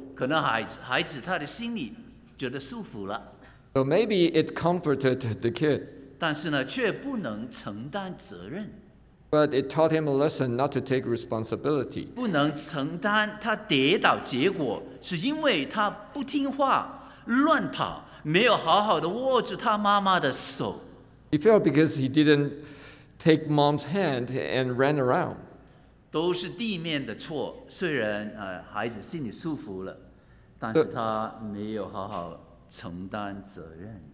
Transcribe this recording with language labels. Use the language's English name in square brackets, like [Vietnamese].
[Chinese] 可能孩子他的心里觉得舒服了。 [English] So maybe it comforted the kid. [Chinese] 但是呢，却不能承担责任。 [English] But it taught him a lesson not to take responsibility. [Chinese] 不能承担他跌倒结果，是因为他不听话、乱跑，没有好好的握住他妈妈的手。 [English] He fell because he didn't take mom's hand and ran around. [Chinese] 都是地面的错，虽然孩子心里舒服了，但是他没有好好承担责任。